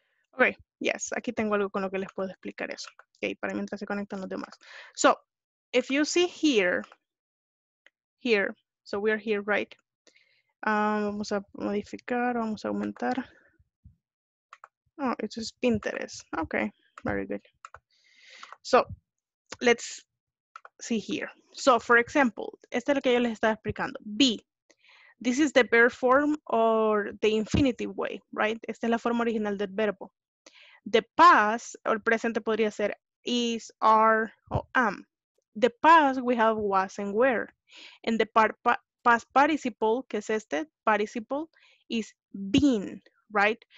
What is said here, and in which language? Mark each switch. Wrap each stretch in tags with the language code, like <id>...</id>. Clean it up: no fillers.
<es>Okay, yes, aquí tengo algo con lo que les puedo explicar eso. Okay, para mientras se conectan los demás.</es> <en>So, if you see here, so we are here, right?</en> <es>Vamos a modificar, vamos a aumentar. Oh, it's just Pinterest.</es> <en>Okay, very good. So, let's see here.</en> <es>So, for example, este es lo que yo les estaba explicando.</es> <en>Be. This is the verb form or the infinitive way, right?</en> <es>Esta es la forma original del verbo. The past, o el presente podría ser is, are, or am.</es> <en>The past, we have was and were. And the past participle, que es este, participle, is been, right?</en>